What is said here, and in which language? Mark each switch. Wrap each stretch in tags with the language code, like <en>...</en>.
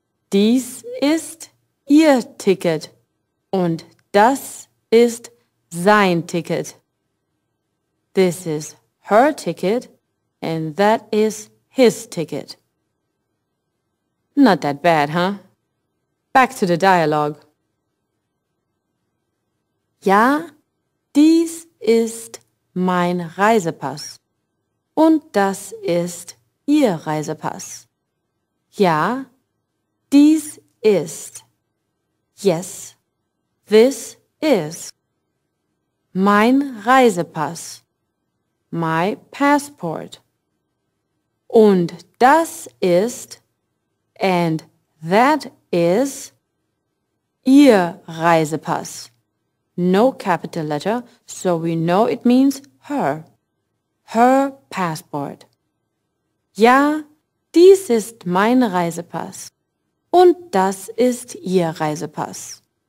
<de>Dies ist Ihr Ticket und das ist sein Ticket.</de> <en>This is her ticket and that is his ticket. Not that bad, huh? Back to the dialogue.</en> <de>Ja, dies ist mein Reisepass. Und das ist Ihr Reisepass. Ja, dies ist.</de> <en>Yes, this is.</en> <de>Mein Reisepass,</de> <en>my passport.</en> <de>Und das ist,</de> <en>and that is,</en> <de>Ihr Reisepass.</de> <en>No capital letter, so we know it means her. Her passport.</en> <de>Ja, dies ist mein Reisepass. Und das ist Ihr Reisepass.</de>